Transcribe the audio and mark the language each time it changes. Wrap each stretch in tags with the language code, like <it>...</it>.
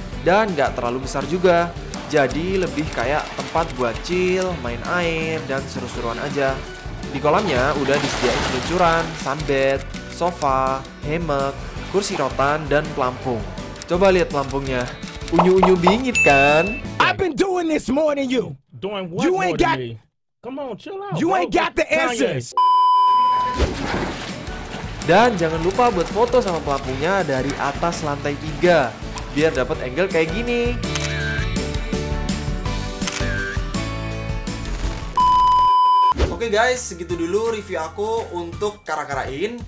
<id>Dan nggak terlalu besar juga. Jadi lebih kayak tempat buat chill, main air, dan seru-seruan aja. Di kolamnya udah disediain seluncuran, sunbed, sofa, hammock, kursi rotan, dan pelampung. Coba lihat pelampungnya. Unyu-unyu bingit kan?</id> <en>I've been doing this more than you. Doing what you ain't got... me? Come on, chill out. You ain't got the answers.</en> <id>Dan jangan lupa buat foto sama pelampungnya dari atas lantai 3. Biar dapat angle kayak gini. Okay, guys, segitu dulu review aku untuk Karakarain.</id>